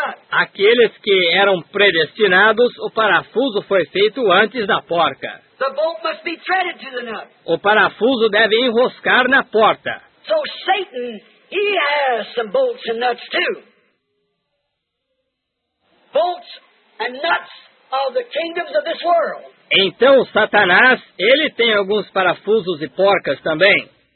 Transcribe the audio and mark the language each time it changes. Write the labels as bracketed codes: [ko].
[pt] Aqueles que eram predestinados, o parafuso foi feito antes da porca. [en] The bolt must be threaded to the nut. [pt] O parafuso deve enroscar na porta. [en] So Satan, he has some bolts and nuts too. Bolts and nuts of the kingdoms of this world. [pt] Então Satanás, ele tem alguns parafusos e porcas também.